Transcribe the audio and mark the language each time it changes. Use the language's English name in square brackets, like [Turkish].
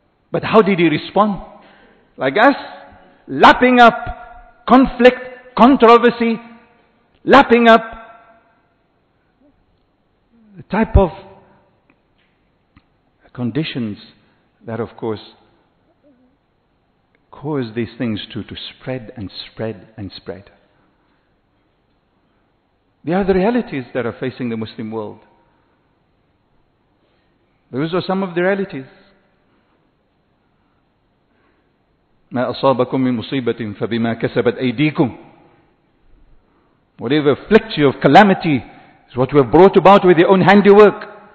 [English] But how did he respond? Like us, lapping up conflict, controversy, lapping up the type of conditions that of course cause these things to spread and spread and spread. They are the realities that are facing the Muslim world. Those are some of the realities. [Arabic] ما أصابكم من مصيبة فبما كسبت أيديكم. [English] Whatever afflicts you of calamity is what you have brought about with your own handiwork.